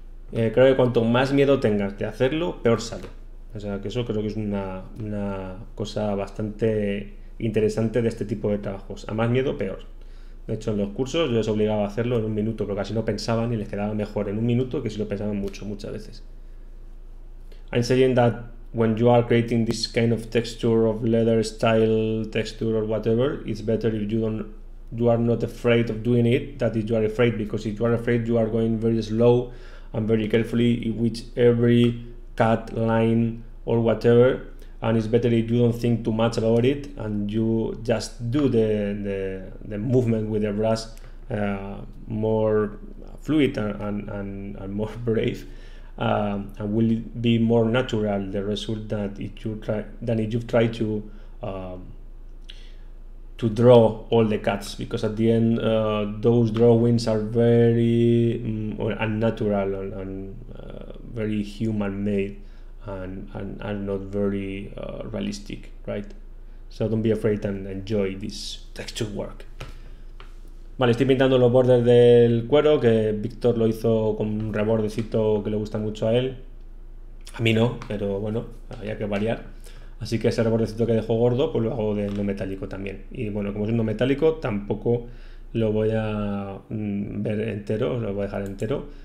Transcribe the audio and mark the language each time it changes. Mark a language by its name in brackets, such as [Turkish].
[Spanish] Creo que cuanto más miedo tengas de hacerlo, peor sale. O sea, que eso creo que es una cosa bastante interesante de este tipo de trabajos. A más miedo, peor. De hecho, en los cursos yo les obligaba a hacerlo en un minuto, porque así no pensaban y les quedaba mejor en un minuto que si lo pensaban mucho, muchas veces. [English] I'm saying that when you are creating this kind of texture of leather style texture or whatever, it's better if you are not afraid of doing it, that if you are afraid, because if you are afraid, you are going very slow and very carefully in which every cut line or whatever, and it's better if you don't think too much about it and you just do the movement with the brush more fluid and more brave, and will be more natural the result that if you try than if you've tried to draw all the cuts, because at the end those drawings are very unnatural and very human made and not very realistic, right? So don't be afraid and enjoy this texture work. [Spanish] Vale, estoy pintando los bordes del cuero, que Víctor lo hizo con un rebordecito que le gusta mucho a él. A mí no, pero bueno, había que variar. Así que ese rebordecito que dejó gordo, pues lo hago de no metálico también. Y bueno, como es un no metálico, tampoco lo voy a ver entero, lo voy a dejar entero.